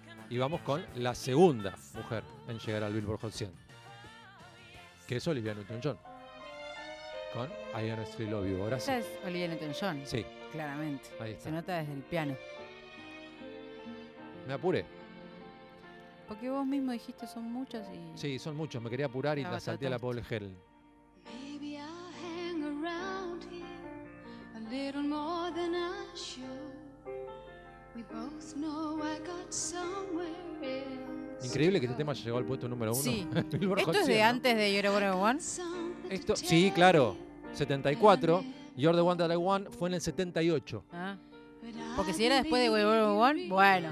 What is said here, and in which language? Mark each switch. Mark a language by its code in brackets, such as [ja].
[es] Y vamos con la segunda mujer en llegar al Billboard Hot 100, que es Olivia Newton-John. Con I Honestly Love You. Ahora sí. Esta es Olivia Newton-John. Sí. Claramente. Ahí está. Se nota desde el piano. Me apuré. Porque vos mismo dijiste son muchos y... Sí, son muchos. Me quería apurar y la salté a la pobre Helen. [en] Maybe I'll hang around here a little more than I should. We both know I got somewhere else. [es] Increíble que este tema haya llegado al puesto número uno. Sí. ¿Esto es 100, de ¿no? antes de You're the One? Esto, sí, claro. 74. You're the One That I Want fue en el 78. Ah. Porque si era después de We Were One, bueno.